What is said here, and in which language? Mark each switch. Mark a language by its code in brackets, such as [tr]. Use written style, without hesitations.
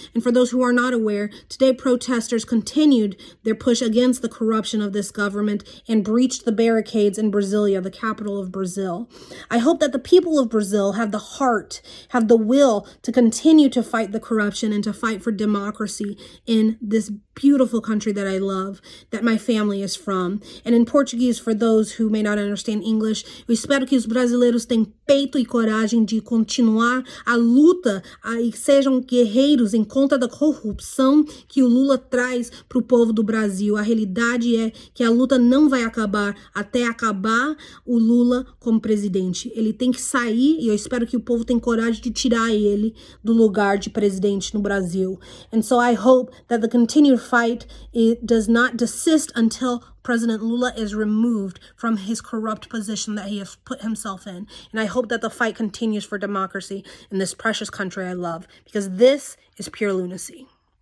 [en] And for those who are not aware, today protesters continued their push against the corruption of this government and breached the barricades in Brasilia, the capital of Brazil. I hope that the people of Brazil have the heart, have the will to continue to fight the corruption and to fight for democracy in this beautiful country that I love, that my family is from. And in Portuguese, for those who may not understand English, we [pt] espero que os brasileiros tenham peito e coragem de continuar a luta e que sejam guerreiros em contra da corrupção que o Lula traz para o povo do Brasil. A realidade é que a luta não vai acabar até acabar o Lula como presidente. Ele tem que sair e eu espero que o povo tenha coragem de tirar ele do lugar de presidente no Brasil. [en] And so I hope that the continued fight does not desist until President Lula is removed from his corrupt position that he has put himself in. And I hope that the fight continues for democracy in this precious country I love, because this is pure lunacy.